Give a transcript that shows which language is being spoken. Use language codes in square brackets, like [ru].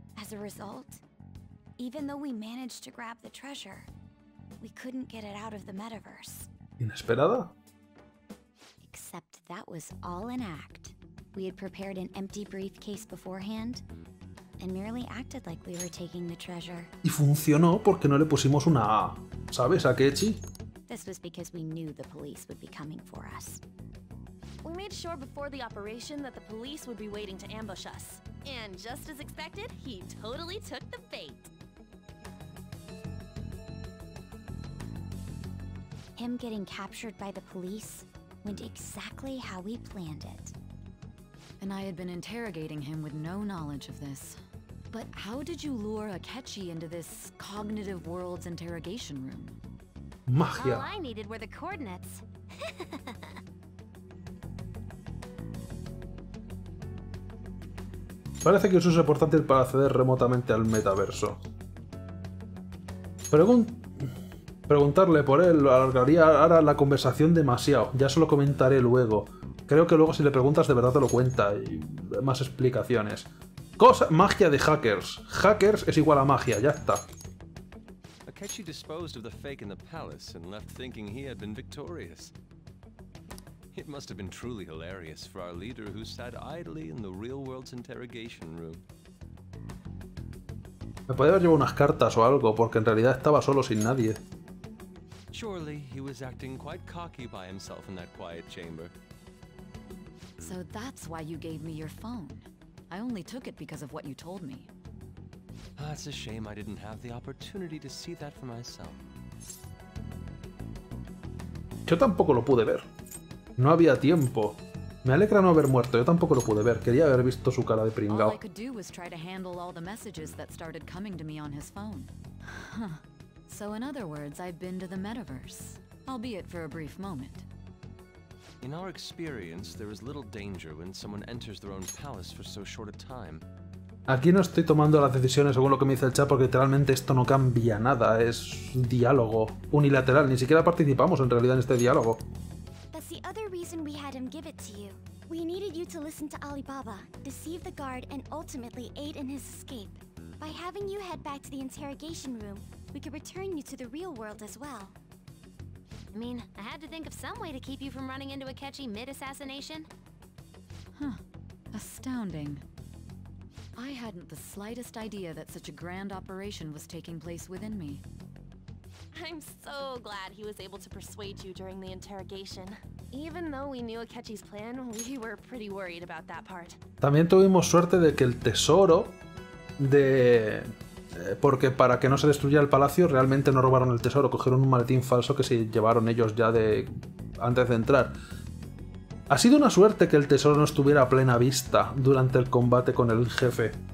[en] As a result, even though we managed to grab the treasure, we couldn't get it out of the metaverse. [es] Inesperada. [en] Except that was all an act. We had prepared an empty briefcase beforehand and merely acted like we were taking the treasure. [es] Y funcionó porque no le pusimos una A, ¿sabes? A Akechi. [en] This was because we knew the police would be coming for us. We made sure before the operation that the police would be waiting to ambush us. And just as expected, he totally took the bait. Him getting captured by the police went exactly how we planned it. And I had been interrogating him with no knowledge of this. But how did you lure Akechi into this cognitive world's interrogation room? [es] Magia. [en] All I needed were the coordinates. [es] Parece que eso es importante para acceder remotamente al metaverso. Preguntarle por él alargaría ahora la conversación demasiado. Ya se lo comentaré luego. Creo que luego si le preguntas de verdad te lo cuenta y más explicaciones. Cosa, magia de hackers. Hackers es igual a magia, ya está. [en] Akechi disposed of the fake in the palace and left thinking he had been victorious. It must have been truly hilarious for our leader who sat idly in the real world's interrogation room. [es] Me podía haber llevado unas cartas o algo, porque en realidad estaba solo sin nadie. [en] Surely he was acting quite cocky by himself in that quiet chamber. So that's why you gave me your phone. I only took it because of what you told me. That's a shame I didn't have the opportunity to see that for myself. [es] Yo tampoco lo pude ver. No había tiempo. Me alegra no haber muerto. Yo tampoco lo pude ver. Quería haber visto su cara de pringao. [en] All I could do was try to handle all the messages that started coming to me on his phone. So in other words, I've been to the metaverse, albeit for a brief moment. In our experience, there is little danger when someone enters their own palace for so short a time. [es] Aquí no estoy tomando las decisiones según lo que me dice el chat, porque literalmente esto no cambia nada. Es diálogo unilateral. Ni siquiera participamos en realidad en este diálogo. [en] That's the other reason we had him give it to you. We needed you to listen to Alibaba, deceive the guard, and ultimately aid in his escape. By having you head back to the interrogation room, we could return you to the real world as well. I mean, I had to think of some way to keep you from running into Akechi mid-assassination. Huh. Astounding. I hadn't the slightest idea that such a grand operation was taking place within me. I'm so glad he was able to persuade you during the interrogation. Even though we knew Akechi's plan, we were pretty worried about that part. [es] También tuvimos suerte de que el tesoro de... Porque para que no se destruyera el palacio, realmente no robaron el tesoro, cogieron un maletín falso que se llevaron ellos ya de antes de entrar. Ha sido una suerte que el tesoro no estuviera a plena vista durante el combate con el jefe.